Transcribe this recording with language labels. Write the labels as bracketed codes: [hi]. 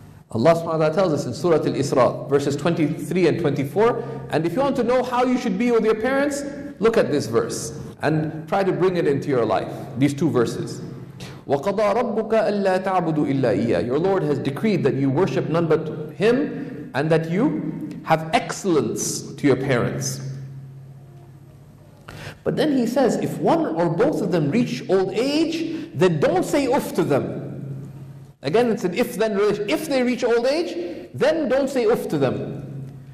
[en] Allah subhanahu wa ta'ala tells us in Surah Al-Isra, verses 23 and 24, and if you want to know how you should be with your parents, look at this verse and try to bring it into your life, these two verses. [ar] وَقَضَى رَبُّكَ أَلَّا تَعْبُدُ إِلَّا إِيَّا. [en] Your Lord has decreed that you worship none but Him and that you have excellence to your parents. But then he says, if one or both of them reach old age, then don't say uff to them. Again, it's an if-then relation. If they reach old age, then don't say uff to them.